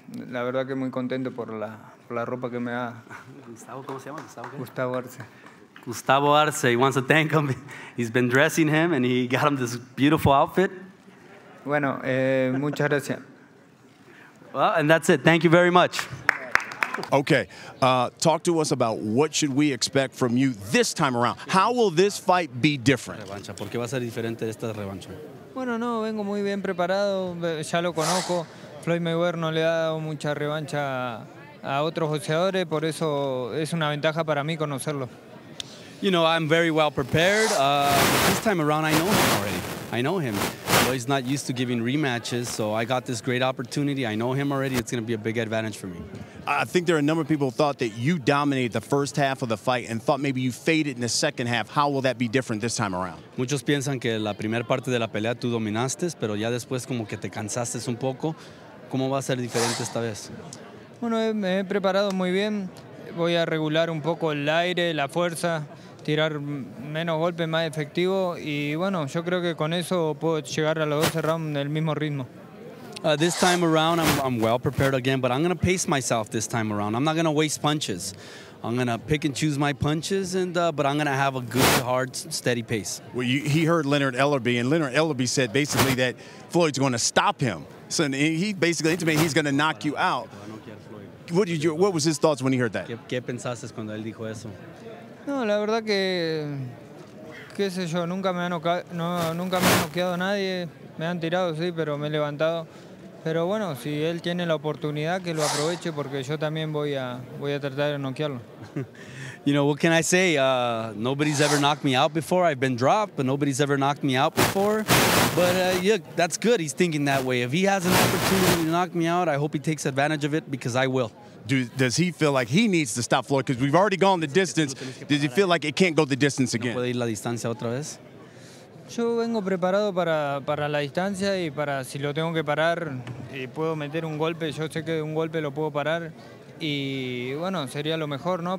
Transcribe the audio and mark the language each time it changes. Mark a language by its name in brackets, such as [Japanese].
[Spanish] La verdad que muy contento por la ropa que me ha. Gustavo, ¿cómo se llama? Gustavo Arce. [English] Gustavo Arce. He wants to thank him. He's been dressing him and he got him this beautiful outfit. [Spanish] Bueno, muchas gracias. [English] Well, and that's it. Thank you very much. Okay, talk to us about what should we expect from you this time around. How will this fight be different? [Spanish] ¿Por qué va a ser diferente esta revancha? Bueno, no, vengo muy bien preparado, ya lo conozco. Floyd Mayweather no le ha dado mucha revancha a otros boxeadores, por eso es una ventaja para mí conocerlo. [English] You know, I'm very well prepared. This time around, I know him already. I know him. Floyd's not used to giving rematches, so I got this great opportunity. I know him already. It's going to be a big advantage for me. I think there are a number of people who thought that you dominated the first half of the fight and thought maybe you faded in the second half. How will that be different this time around? [Spanish] Muchos piensan que la primera parte de la pelea tú dominaste, pero ya después como que te cansaste un poco. ¿Cómo va a ser diferente esta vez? Bueno, me he preparado muy bien. Voy a regular un poco el aire, la fuerza, tirar menos golpes, más efectivo. Y bueno, yo creo que con eso puedo llegar a los 12 rounds en el mismo ritmo. [English] This time around, I'm well prepared again, but I'm going to pace myself this time around. I'm not going to waste punches. I'm going to pick and choose my punches, but I'm going to have a good, hard, steady pace. Well, he heard Leonard Ellerbe, and Leonard Ellerbe said basically that Floyd's going to stop him. So he basically intimated he's going to knock you out. What was his thoughts when he heard that? [Spanish] ¿Qué pensaste cuando él dijo eso? No, la verdad que, qué sé yo, nunca me ha noqueado nadie. Me han tirado, sí, pero me he levantado. Pero bueno, si él tiene la oportunidad, que lo aproveche, porque yo también voy a tratar de noquearlo. [English] You know, what can I say? Nobody's ever knocked me out before. I've been dropped, but nobody's ever knocked me out before. But yeah, that's good. He's thinking that way. If he has an opportunity to knock me out, I hope he takes advantage of it, because I will. Does he feel like he needs to stop Floyd? Because we've already gone the distance. Does he feel like it can't go the distance again? [Spanish] ¿No puede ir la distancia otra vez? Yo vengo preparado para la distancia y para si lo tengo que parar y puedo meter un golpe. Yo sé que un golpe lo puedo parar y bueno, sería lo mejor, ¿no?